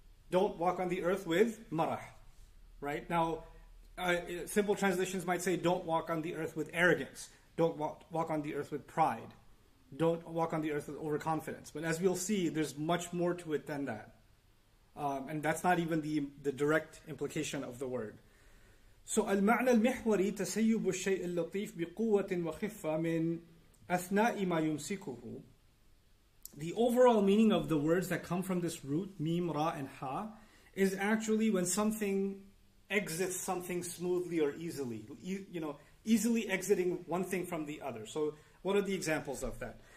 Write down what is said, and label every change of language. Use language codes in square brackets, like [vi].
[en] Don't walk on the earth with marah. Right? Now, simple translations might say, don't walk on the earth with arrogance. Don't walk on the earth with pride. Don't walk on the earth with overconfidence. But as we'll see, there's much more to it than that. And that's not even the direct implication of the word. [ar] So, المعنى المحوري تسيب الشيء اللطيف بقوة وخفة من أثناء ما يمسكه. [en] The overall meaning of the words that come from this root, ميم, را, and ها, is actually when something exits something smoothly or easily. You know, easily exiting one thing from the other. So, what are the examples of that?